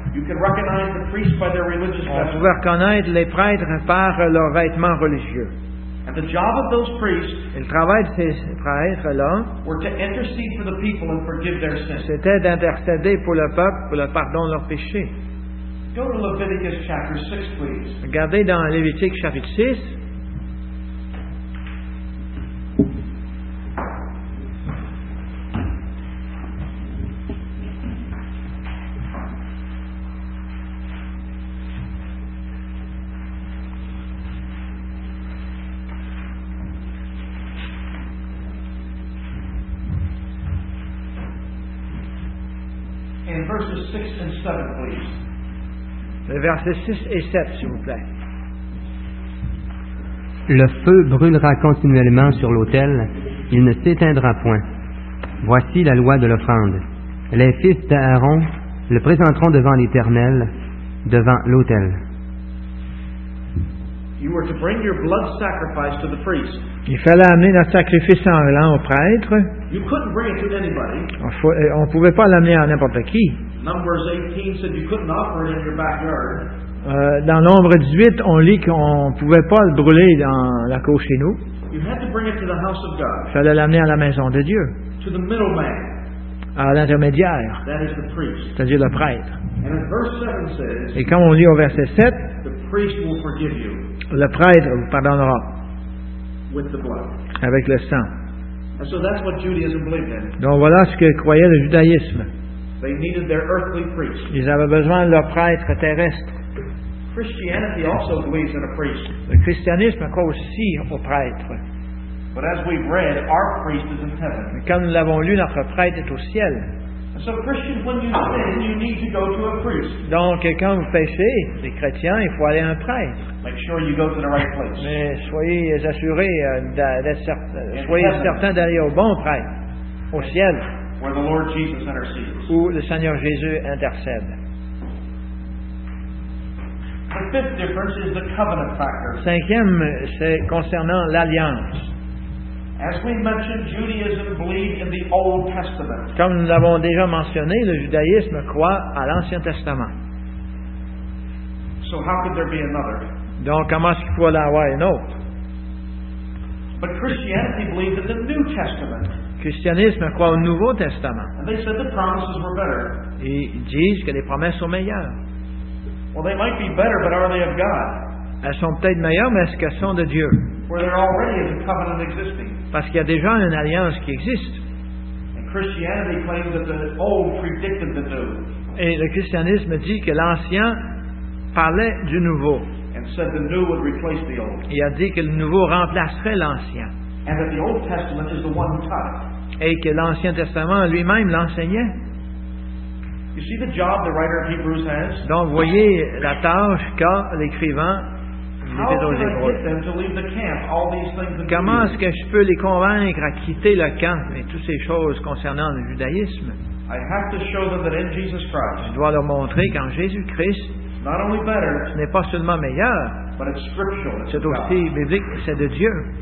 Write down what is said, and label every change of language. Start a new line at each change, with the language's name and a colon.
English: You could recognize the priests by their religious dress.
French: On pouvait reconnaître les prêtres par leurs vêtements religieux.
English: And the job of those priests.
French: Le travail de ces prêtres-là.
English: Were to intercede for the people and forgive their sins.
French: C'était d'intercéder pour le peuple pour le pardon de leurs péchés.
English: Go to Leviticus chapter 6, please.
French: Regardez dans Lévitique chapitre 6.
English: Thank you. In verses 6 and 7, please.
French: Les versets 6 et 7, s'il vous plaît. Le feu brûlera continuellement sur l'autel, il ne s'éteindra point. Voici la loi de l'offrande. Les fils d'Aaron le présenteront devant l'Éternel, devant l'autel.
English: You were to bring your blood sacrifice to the priest.
French: Il fallait amener notre sacrifice sanglant au prêtre.
English: You couldn't bring it to anybody.
French: On ne pouvait pas l'amener à n'importe qui.
English: Numbers 18 said you couldn't offer it in your backyard.
French: Dans Nombre 18, on lit qu'on ne pouvait pas le brûler dans la cour chez nous.
English: You had to bring it to the house of God.
French: Il fallait l'amener à la maison de Dieu.
English: To the middleman.
French: À l'intermédiaire.
English: That is the priest.
French: C'est-à-dire le prêtre.
English: And verse 7 says,
French: et comme on lit au verset 7,
English: the priest will forgive you.
French: Le prêtre vous pardonnera.
English: With the blood.
French: Avec le sang.
English: And so that's what Judaism believed in.
French: Donc voilà ce que croyait le judaïsme.
English: They needed their earthly priest.
French: Ils avaient besoin de leur prêtre terrestre.
English: Christianity also believes in a priest.
French: Le christianisme croit aussi au prêtre.
English: But as we've read, our priest is in heaven.
French: Mais comme nous l'avons lu, notre prêtre est au ciel.
English: So Christian, when you sin, you need to go to a priest.
French: Donc, quand vous péchez, les chrétiens, il faut aller à un prêtre.
English: Make sure you go to the right place.
French: Mais soyez assurés d'être certain d'aller au bon prêtre, au ciel.
English: Where the Lord Jesus intercedes.
French: Où le Seigneur Jésus intercède.
English: The fifth difference is the covenant factor.
French: Cinquième, c'est concernant l'alliance.
English: As we mentioned, Judaism believed in the Old Testament.
French: Comme nous l'avons déjà mentionné, le judaïsme croit à l'Ancien Testament.
English: So how could there be another?
French: Donc comment est-ce qu'il pourrait y avoir un autre?
English: But Christianity believed in the New Testament.
French: Le christianisme croit au Nouveau Testament.
English: And they said the promises were better.
French: Et ils disent que les promesses sont meilleures.
English: Well, they might be better, but are they of God?
French: Elles sont peut-être meilleures, mais est-ce qu'elles sont de Dieu?
English: Where there already is a covenant existing.
French: Parce qu'il y a déjà une alliance qui existe.
English: And Christianity claims that the old predicted the new.
French: Et le christianisme dit que l'ancien parlait du nouveau.
English: And said the new would replace the old.
French: Il a dit que le nouveau remplacerait l'ancien.
English: And that the Old Testament is the one who taught.
French: Et que l'Ancien Testament lui-même l'enseignait.
English: You see the job the writer of Hebrews has?
French: Donc vous voyez la tâche qu'a l'écrivain. Comment est-ce que je peux les convaincre à quitter le camp et toutes ces choses concernant le judaïsme? Je dois leur montrer qu'en Jésus-Christ, ce n'est pas seulement meilleur, c'est aussi biblique, c'est de Dieu.